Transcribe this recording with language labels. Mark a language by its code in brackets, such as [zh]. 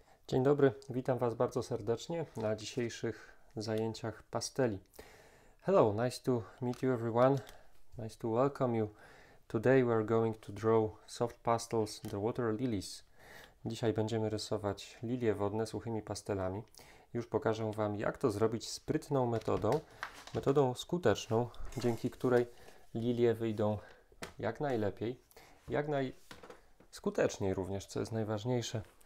[pl] Dzień dobry, witam Was bardzo serdecznie na dzisiejszych zajęciach pasteli. [en] Hello, nice to meet you everyone. Nice to welcome you. Today we are going to draw soft pastels, the water lilies. [pl] Dzisiaj będziemy rysować lilie wodne suchymi pastelami. Już pokażę Wam, jak to zrobić sprytną metodą, metodą skuteczną, dzięki której lilie wyjdą jak najlepiej, jak najskuteczniej również, co jest najważniejsze.